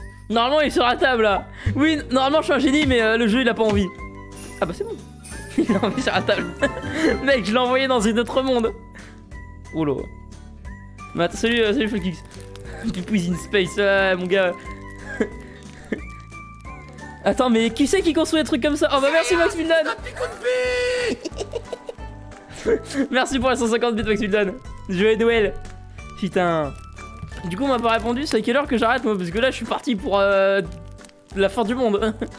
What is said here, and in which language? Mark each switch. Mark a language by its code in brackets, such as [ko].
[fr] Normalement, il est sur la table, là! Oui, normalement, je suis un génie, mais le jeu, il a pas envie. Ah bah, c'est bon! Il a envie sur la table! Mec, je l'ai envoyé dans un autre monde! Oulô! Mais attends, salut Flukix. [en] Pipou is in space, [fr] mon gars. Attends, mais qui c'est qui construit des trucs comme ça? Oh bah merci Max Mildan. Merci pour les 150 bits Max Mildan. Joyeux Noël. Putain. Du coup, on m'a pas répondu, c'est à quelle heure que j'arrête moi? Parce que là, je suis parti pour la fin du monde.